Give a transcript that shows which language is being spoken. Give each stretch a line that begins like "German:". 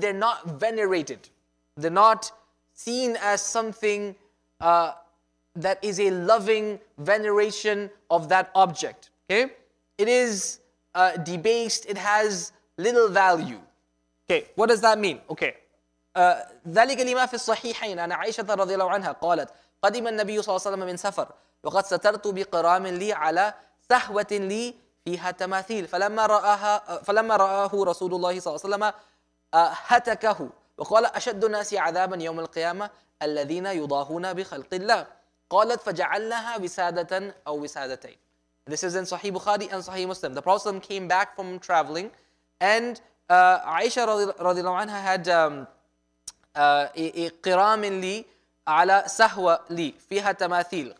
English: They're not venerated. They're not seen as something that is a loving veneration of that object. Okay? It is debased. It has little value. Okay, what does that mean? Okay.
Arabic: ذَلِكَ لِمَا فِي الصَّحِيحَيْنَ عَنْ عَيْشَةَ رَضِيَ اللَّهُ عَنْهَا قَالَتْ قَدِمَ النَّبِيُّ صَلَى اللَّهُ عَلَيْهِ وَسَلَّمَ مِنْ سَفَرْ وَقَدْ سَتَرْتُ بِقِرَامٍ لِي عَلَى سَهْوَةٍ لِي فيها تماثيل فلما رآه رسول الله صلى الله عليه وسلم هتكه وقال أشد الناس عذابا يوم القيامة الذين يضاهون بخلق الله قالت فجعلناها وسادة أو وسادتين.
English: This is in Sahih Bukhari and Sahih Muslim. The Prophet came back from traveling, and Aisha رضي الله عنها had a
Arabic: قرام لي على سهوة لي فيها تماثيل.